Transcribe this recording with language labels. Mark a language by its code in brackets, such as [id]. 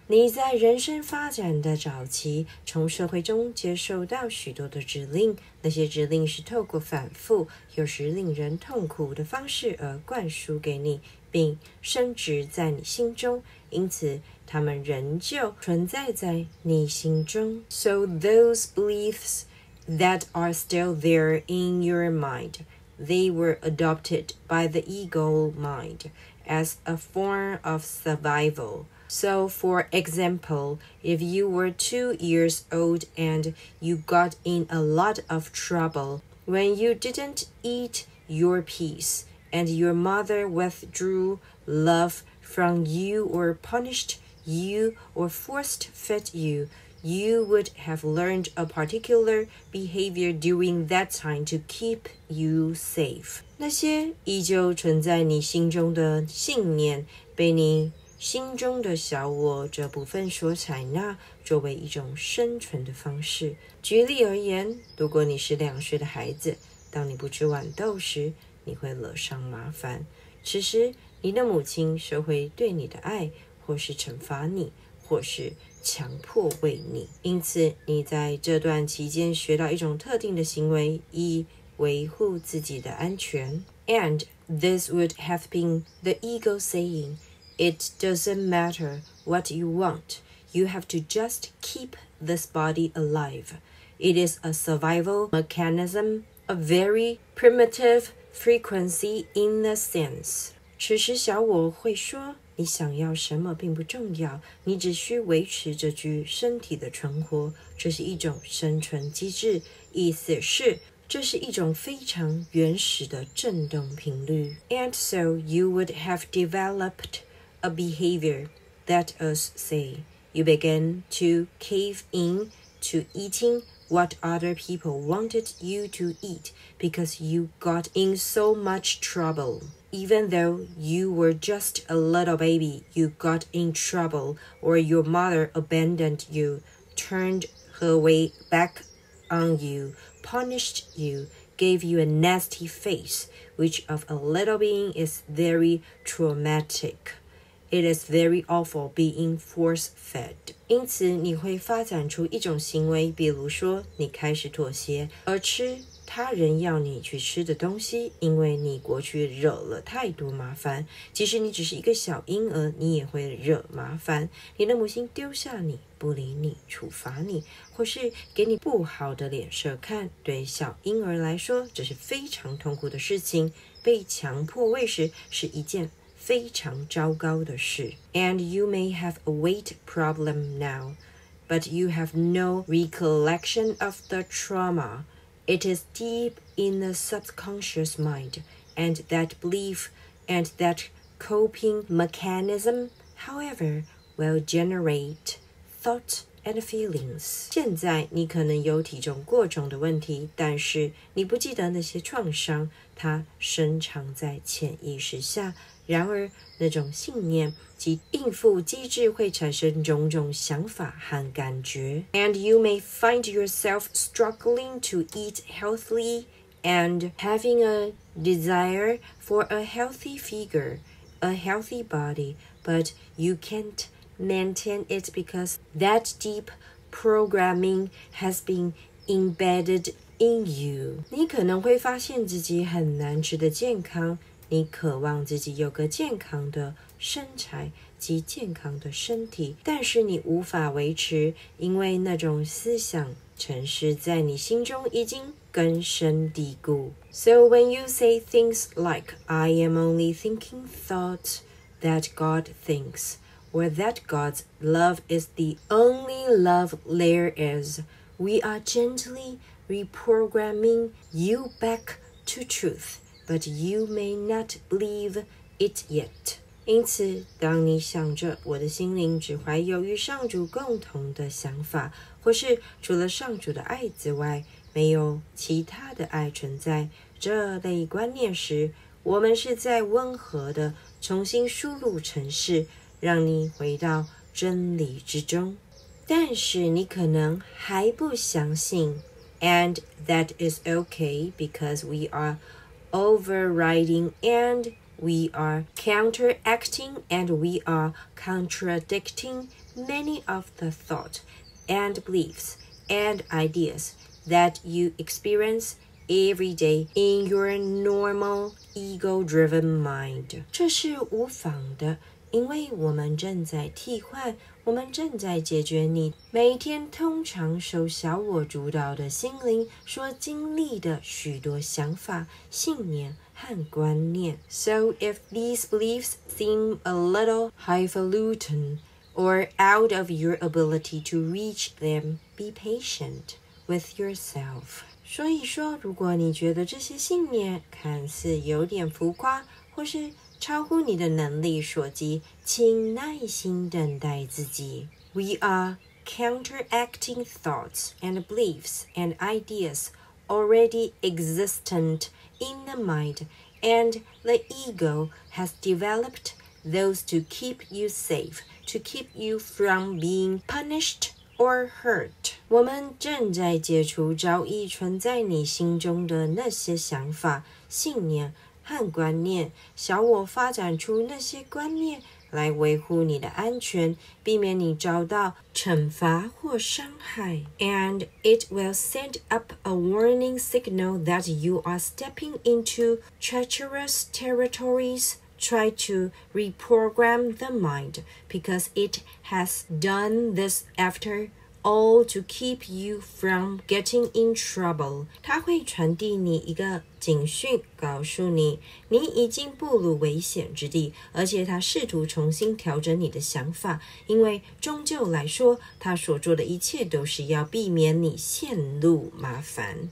[zh] 你在人生发展的早期，从社会中接受到许多的指令，那些指令是透过反复，有时令人痛苦的方式而灌输给你，并深植在你心中，因此它们仍旧存在在你心中。 [en] So those beliefs that are still there in your mindThey were adopted by the ego mind as a form of survival. So, for example, if you were 2 years old and you got in a lot of trouble when you didn't eat your peace and your mother withdrew love from you or punished you or forced fed you, you would have learned a particular behavior during that time to keep you safe. [zh] 那些依旧存在你心中的信念，被你心中的小我这部分所采纳，作为一种生存的方式。举例而言，如果你是2岁的孩子，当你不吃豌豆时，你会惹上麻烦。此时，你的母亲学会对你的爱，或是惩罚你，或是强迫为你，因此你在这段期间学到一种特定的行为以维护自己的安全。 [en] And this would have been the ego saying, it doesn't matter what you want, you have to just keep this body alive. It is a survival mechanism, a very primitive frequency in a sense. [zh] 此时小我会说，你想要什么并不重要，你只需维持这具身体的存活，这是一种生存机制，意思是这是一种非常原始的振动频率。 [en] And so you would have developed a behavior, let us say. You began to cave in to eating what other people wanted you to eat because you got in so much trouble. Even though you were just a little baby, you got in trouble, or your mother abandoned you, turned her way back on you, punished you, gave you a nasty face, which of a little being is very traumatic. It is very awful being force-fed. [zh] 因此你会发展出一种行为，比如说你开始妥协，而吃他人要你去吃的东西，因为你过去惹了太多麻烦。即使你只是一个小婴儿，你也会惹麻烦。你的母亲丢下你，不理你，处罚你，或是给你不好的脸色看，对小婴儿来说这是非常痛苦的事情。被强迫喂食是一件非常糟糕的事。 [en] And you may have a weight problem now, but you have no recollection of the trauma. It is deep in the subconscious mind, and that belief and that coping mechanism, however, will generate thought and feelings. [zh] 现在你可能有体重过重的问题，但是你不记得那些创伤，它深藏在潜意识下。然而那种信念及应付机制会产生种种想法和感觉。 [en] And you may find yourself struggling to eat healthily and having a desire for a healthy figure, a healthy body, but you can't maintain it because that deep programming has been embedded in you. [zh] 你可能会发现自己很难吃得健康，你渴望自己有个健康的身材及健康的身体，但是你无法维持，因为那种思想程式在你心中已经根深蒂固。 [en] So when you say things like I am only thinking thoughts that God thinks, or that God's love is the only love there is, we are gently reprogramming you back to truthBut you may not believe it yet. [zh] 因此，当你想着我的心灵只怀有与上主共同的想法，或是除了上主的爱之外，没有其他的爱存在，这类观念时，我们是在温和地重新输入程式，让你回到真理之中。但是你可能还不相信。 [en] And that is okay because we areoverriding and we are counteracting and we are contradicting many of the thought and beliefs and ideas that you experience every day in your normal ego-driven mind. [zh] 这是无妨的，因为我们正在替换，我们正在解决你每天通常受小我主导的心灵所经历的许多想法、信念和观念。 [en] So if these beliefs seem a little highfalutin or out of your ability to reach them, be patient with yourself. [zh] 所以说，如果你觉得这些信念看似有点浮夸，或是超乎你的能力所及，请耐心等待自己。 [en] We are counteracting thoughts and beliefs and ideas already existent in the mind, and the ego has developed those to keep you safe, to keep you from being punished or hurt. [zh] 我们正在解除早已存在你心中的那些想法、信念和观念，小我发展出那些观念来维护你的安全，避免你遭到惩罚或伤害。 [en] And it will send up a warning signal that you are stepping into treacherous territories. Try to reprogram the mind because it has done this after all to keep you from getting in trouble. [zh] 它会传递你一个警讯，告诉你你已经步入危险之地，而且它试图重新调整你的想法，因为终究来说，它所做的一切都是要避免你陷入麻烦。